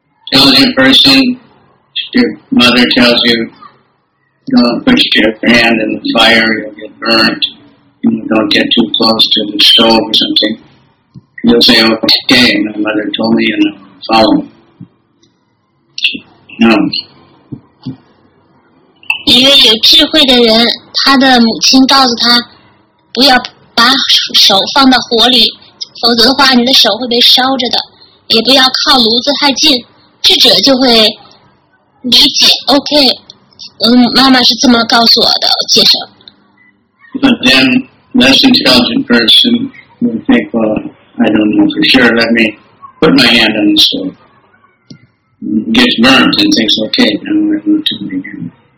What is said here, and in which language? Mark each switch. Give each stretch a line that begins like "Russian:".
English: Intelligent person, your mother tells you, don't put your hand in the fire, you'll get burnt. Don't get too close to the stove or something. You'll say, okay, my mother told me, and I'll follow. No.
Chinese: 一个有智慧的人，他的母亲告诉他， 不要把手放到火里，否则的话你的手会被烧着的，也不要靠炉子太近，智者就会理解，OK，我妈妈是这么告诉我的，先生。
English: But then, less intelligent person will think, well, I don't know for sure, let me put my hand on the stove. Gets burnt and thinks, okay, now I'm going to do it again.